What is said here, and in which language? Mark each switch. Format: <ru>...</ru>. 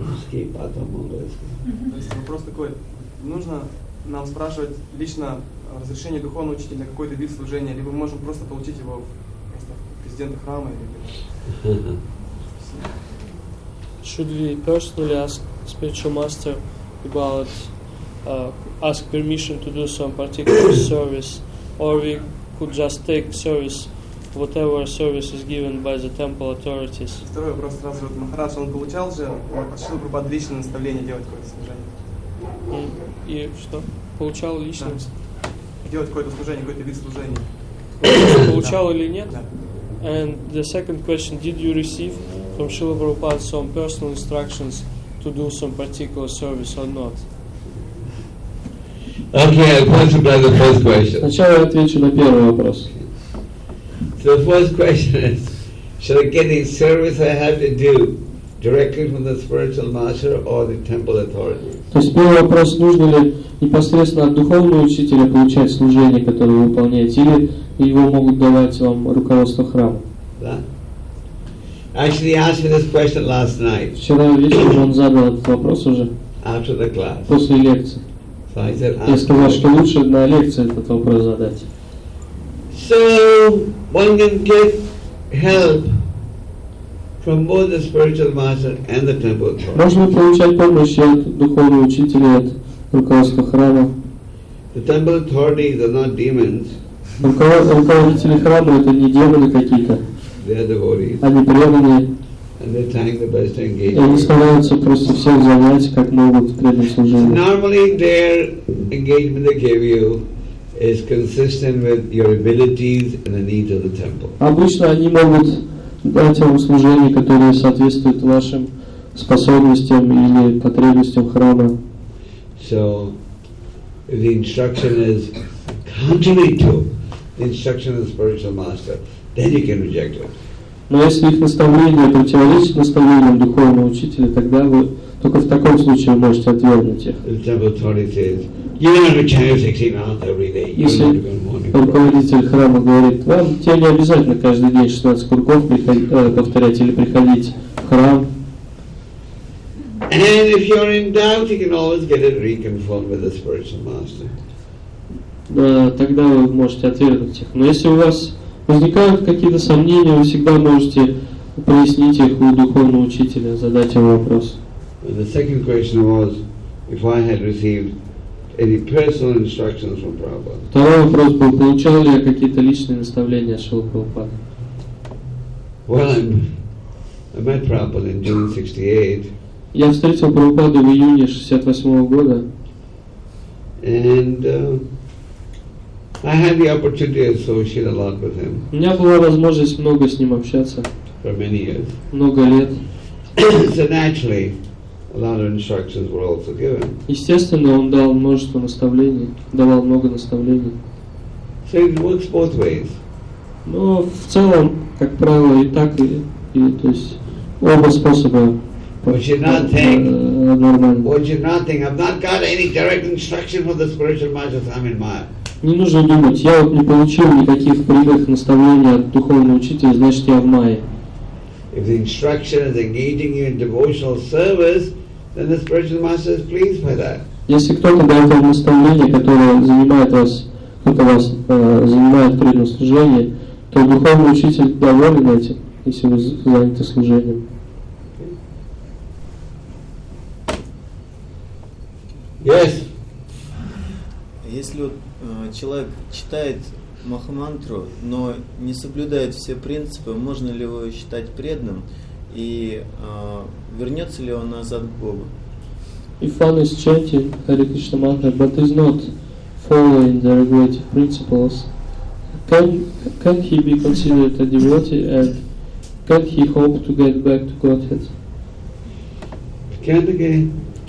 <ru>То есть вопрос такой, нужно нам спрашивать лично разрешение духовного учителя на какой-то вид служения, либо мы можем просто получить его просто президента храма или.</ru> <en>Should we personally ask spiritual master about ask permission to do some particular service, or we could just take service, whatever service is given by the temple authorities?</en> <ru>Второй вопрос сразу же. Махарадж, он получал же от Шрилы Прабхупады личное наставление делать какое-то служение? И что? Получал личное? Да. Делать какое-то служение, какой-то вид служения. Получал или нет? Да.</ru> <en>And the second question, did you receive from Шрилы Прабхупады some personal instructions to do some particular service or not? Okay, I'll answer by the first question.</en> <ru>Сначала я отвечу на первый вопрос.</ru> <en>The first question is, should I get any service I have to do directly from the spiritual master or the temple authorities?</en> <ru>То есть первый вопрос, нужно ли непосредственно от духовного учителя получать служение, которое вы выполняете, или его могут давать вам руководство храма? Да.</ru> <en>Actually, he asked me this question last night.</en> <ru>Вчера вечером он задал этот вопрос уже.</ru> <en>After the class.</en> <ru>После лекции.</ru> <en>So I said,</en> <ru>я сказал, что лучше на лекции этот вопрос задать.</ru> <en>So one can get help from both the spiritual master and the temple authority.</en> <ru>Можно получать помощь от духовного учителя, от руководства храма.</ru> <en>The temple authorities are not demons.</en> <ru>Руководители храма это не демоны какие-то.</ru> <en>They are devotees.</en> <ru>Они преданные.</ru> <en>And they're trying their best to engage.</en> <ru>И они стараются просто всех занять, как могут в преданном служении.</ru> <en>Normally their engagement they give you is consistent with your abilities and the needs of the temple.</en> <ru>Обычно они могут дать вам служение, которое соответствует вашим способностям или потребностям храма.</ru> <en>So the instruction is contrary to the instruction of the spiritual master, then you can reject it.</en> <ru>Но если их наставление противоречит наставлениям духовного учителя, тогда вы только в таком случае вы можете отвергнуть их.</ru> <en>The temple authority says, you're going to chant 16 mantras every day.</en> <ru>Если руководитель храма говорит, вам тебе не обязательно каждый день 16 кругов повторять или приходить в храм.</ru> <en>And if you're in doubt, you can always get it reconfirmed with the spiritual master.</en> <ru>Да, тогда вы можете отвергнуть их. Но если у вас возникают какие-то сомнения, вы всегда можете прояснить их у духовного учителя, задать ему вопрос.</ru> <en>And the second question was, if I had received any personal instructions from Prabhupada.</en> <ru>Второй вопрос был, получал ли я какие-то личные наставления от Шрилы Прабхупады?</ru> <en>Well, I met Prabhupada in June 68.</en> <ru>Я встретил Прабхупаду в июне 68 года.</ru> <en>And I had the opportunity to associate a lot with him.</en> <ru>У меня была возможность много с ним общаться.</ru> <en>For many years.</en> <ru>Много лет.</ru> <en>So naturally, a lot of instructions were also given.</en> <ru>Естественно, он дал множество наставлений, давал много наставлений.</ru> <en>So it works both ways.</en> <ru>Но в целом, как правило, и так и то есть оба способа.</ru> <en>What you're not thinking? I've not got any direct instruction from the spiritual masters. I'm in Maya.</en> <ru>Не нужно думать. Я вот не получил никаких прямых наставлений от духовного учителя, значит я в Майе.</ru> <en>If the instruction is engaging you in devotional service, then the spiritual master is pleased by that.</en> <ru>Если кто-то дает вам наставление, которое занимает вас, кто-то вас занимает прямое служение, то духовный учитель доволен этим, если вы заняты служением.</ru> <en>Yes.</en> <ru>Если вот человек читает Махамантру, но не соблюдает все принципы, можно ли его считать преданным и вернется ли он назад к Богу?</ru> <en>If one is chanting Hare Krishna mantra but is not following the regulative principles, can he be considered a devotee and can he hope to get back to Godhead? Can't again.</en>